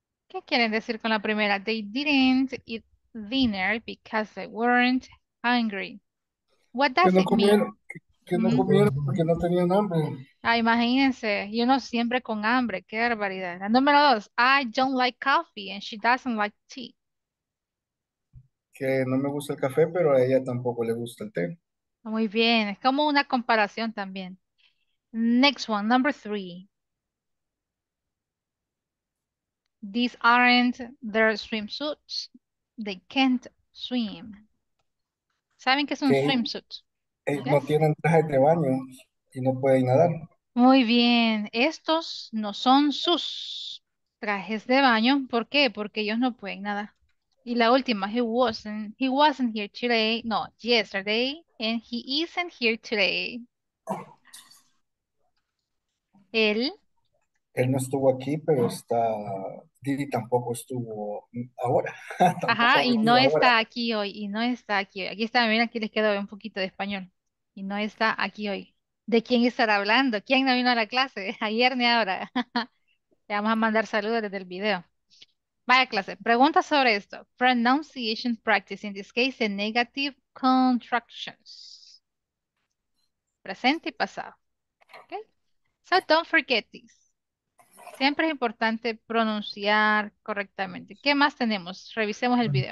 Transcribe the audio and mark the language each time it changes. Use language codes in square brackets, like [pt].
[es] ¿Qué quieren decir con la primera? [en] They didn't eat dinner because they weren't hungry. What does [es] que no [en] it mean? [es] Que no comieron porque no tenían hambre. Ah, imagínense, you know, siempre con hambre, qué barbaridad. La número dos, [en] I don't like coffee and she doesn't like tea. [es] Que no me gusta el café, pero a ella tampoco le gusta el té. Muy bien, es como una comparación también. [en] Next one, number three. These aren't their swimsuits. They can't swim. [es] ¿Saben qué es un swimsuit? No tienen trajes de baño y no pueden nadar. Muy bien, estos no son sus trajes de baño. ¿Por qué? Porque ellos no pueden nadar. Y la última, [en] he wasn't here today, no, yesterday, and he isn't here today. [es] Él. Él no estuvo aquí, pero está, Didi tampoco estuvo ahora. Ajá, y no está aquí hoy, y no está aquí hoy. Aquí está, miren, aquí les quedó un poquito de español. Y no está aquí hoy. ¿De quién estará hablando? ¿Quién no vino a la clase? Ayer ni ahora. Le vamos a mandar saludos desde el video. Vaya clase, pregunta sobre esto. [en] Pronunciation practice, in this case, the negative contractions. [es] Presente y pasado. [en] Okay? So don't forget this. [es] Siempre es importante pronunciar correctamente. ¿Qué más tenemos? Revisemos el video.